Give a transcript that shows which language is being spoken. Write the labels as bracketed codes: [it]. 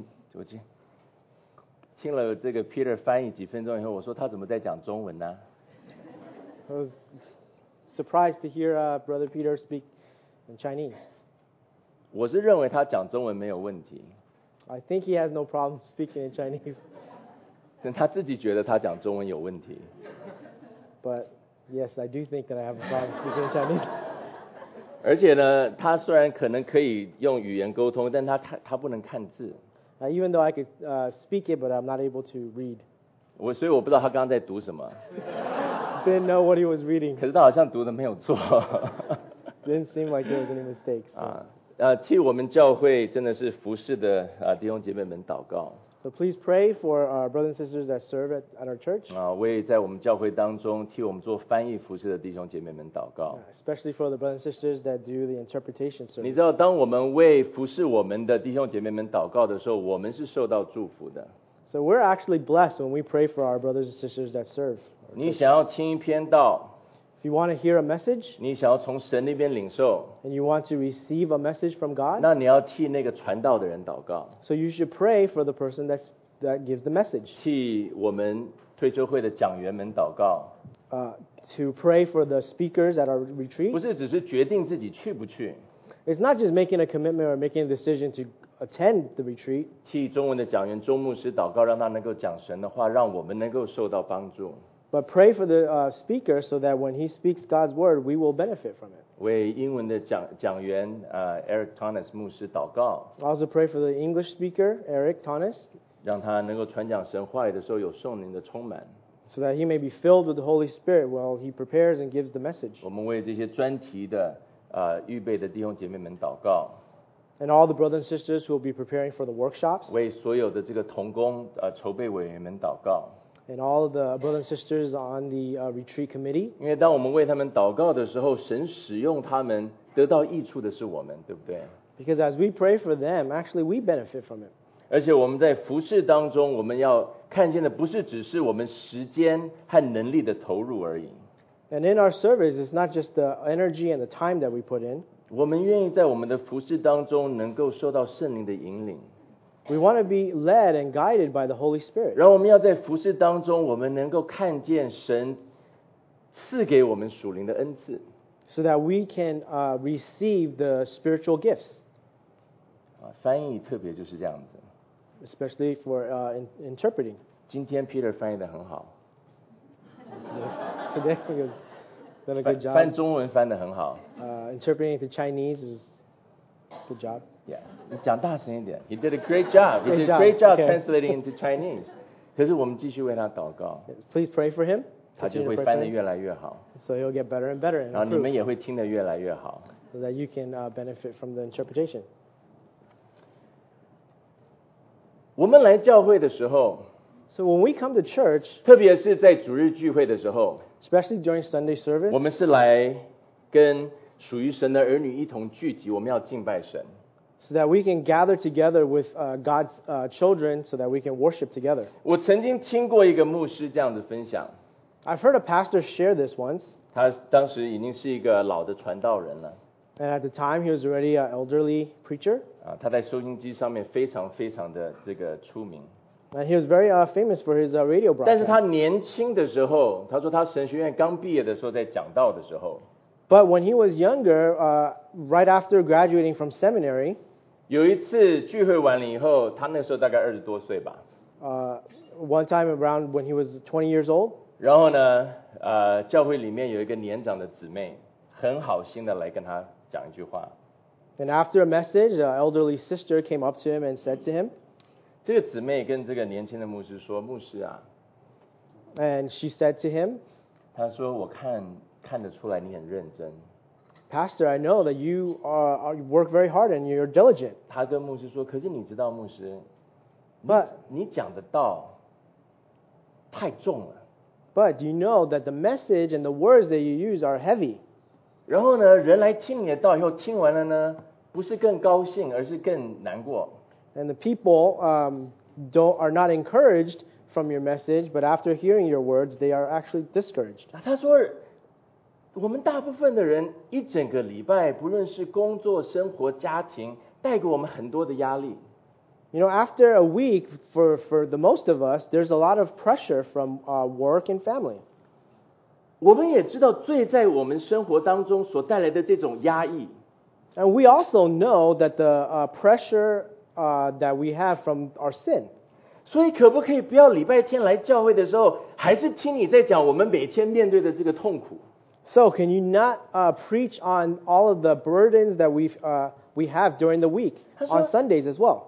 [zh] 昨天听了这个 Peter 翻译几分钟以后，我说他怎么在讲中文呢？ [en] I was surprised to hear brother Peter speak in Chinese. [zh] 我是认为他讲中文没有问题。 [en] I think he has no problem speaking in Chinese. [zh] 但他自己觉得他讲中文有问题。 [en] But yes, I do think that I have a problem speaking in Chinese. [zh] 而且呢，他虽然可能可以用语言沟通，但 他不能看字。 [en] Even though I could speak it, but I'm not able to read. [zh] 所以我不知道他刚刚在读什么。 [en] Didn't know what he was reading. [zh] 可是他好像读的没有错。 [en] Didn't seem like there was any mistakes. So. [zh] 替我们教会真的是服事的弟兄姐妹们祷告。 [en] So please pray for our brothers and sisters that serve at our church. [zh] 为在我们教会当中替我们做翻译服事的弟兄姐妹们祷告。 [en] Especially for the brothers and sisters that do the interpretation service. [zh] 你知道，当我们为服事我们的弟兄姐妹们祷告的时候，我们是受到祝福的。 [en] So we're actually blessed when we pray for our brothers and sisters that serve. [zh] 你想要听一篇道。 [en] You want to hear a message? [zh] 你想要从神那边领受。 [en] And you want to receive a message from God? [zh] 那你要替那个传道的人祷告。 [en] So you should pray for the person that gives the message. [zh] 替我们退休会的讲员们祷告。 [en] To pray for the speakers at our retreat. [zh] 不是只是决定自己去不去。 [en] It's not just making a commitment or making a decision to attend the retreat. [zh] 替中文的讲员钟牧师祷告，让他能够讲神的话，让我们能够受到帮助。 [en] But pray for the speaker so that when he speaks God's word, we will benefit from it. [zh] 为英文的讲员Eric Thomas 牧师祷告。 [en] I also pray for the English speaker, Eric Thomas. [zh] 让他能够传讲神话语的时候有圣灵的充满。 [en] So that he may be filled with the Holy Spirit while he prepares and gives the message. [zh] 我们为这些专题的预备的弟兄姐妹们祷告。 [en] And all the brothers and sisters who will be preparing for the workshops. [zh] 为所有的这个同工筹备委员们祷告。 [en] And all of the brothers and sisters on the retreat committee. [zh] 因为当我们为他们祷告的时候，神使用他们得到益处的是我们，对不对？ [en] Because as we pray for them, actually we benefit from it. [zh] 而且我们在服事当中，我们要看见的不是只是我们时间和能力的投入而已。 [en] And in our service, it's not just the energy and the time that we put in. [zh] 我们愿意在我们的服事当中能够受到圣灵的引领。 [en] We want to be led and guided by the Holy Spirit. [zh] 然后我们要在服事当中，我们能够看见神赐给我们属灵的恩赐。 [en] So that we can receive the spiritual gifts. [zh] 翻译特别就是这样子。 [en] Especially for interpreting. [zh] 今天 Peter 翻译得很好。 [en] Today he's done a good job. [zh] 翻中文翻得很好。 [en] Interpreting to Chinese is good job. Yeah, [zh] 你讲大声一点。 [en] He did a great job. He did a great job translating into Chinese. [zh] 可是我们继续为他祷告。 [en] Please pray for him. [zh] 他就会翻得越来越好。 [en] So he'll get better and better. [zh] 然后你们也会听得越来越好。 [en] So that you can benefit from the interpretation. [zh] 我们来教会的时候。 [en] So when we come to church. [zh] 特别是在主日聚会的时候。 [en] Especially during Sunday service. [zh] 我们是来跟属于神的儿女一同聚集，我们要敬拜神。 [en] So that we can gather together with God's children so that we can worship together. [zh] 我曾经听过一个牧师这样子分享。 [en] I've heard a pastor share this once. [zh] 他当时已经是一个老的传道人了。 [en] And at the time, he was already an elderly preacher. [zh] 他在收音机上面非常非常的这个出名。 [en] And he was very famous for his radio broadcast. [zh] 但是他年轻的时候，他说他神学院刚毕业的时候在讲道的时候。 [en] But when he was younger, right after graduating from seminary, [zh] 有一次聚会完了以后，他那时候大概二十多岁吧。 [en] One time around when he was 20 years old. [zh] 然后呢，教会里面有一个年长的姊妹，很好心的来跟他讲一句话。 [en] And after a message, an elderly sister came up to him and said to him, [zh] 这个姊妹跟这个年轻的牧师说，牧师啊。 [en] And she said to him, [zh] 她说我看。看得出来你很认真。 [en] Pastor, I know that you work very hard and you're diligent. [zh] 他跟牧师说，可是你知道牧师， [en] but, [zh] 你讲的道太重了。 [en] But do you know that the message and the words that you use are heavy? [zh] 然后呢，人来听你的道以后，听完了呢，不是更高兴，而是更难过。 [en] And the people are not encouraged from your message, but after hearing your words, they are actually discouraged. [zh] 他说，我们大部分的人一整个礼拜，不论是工作、生活、家庭，带给我们很多的压力。 [en] You know, after a week, for the most of us, there's a lot of pressure from work and family. [zh] 我们也知道罪在我们生活当中所带来的这种压抑。 [en] And we also know that the pressure that we have from our sin. [zh] 所以可不可以不要礼拜天来教会的时候，还是听你在讲我们每天面对的这个痛苦？ [en] So can you not preach on all of the burdens that we have during the week on Sundays as well?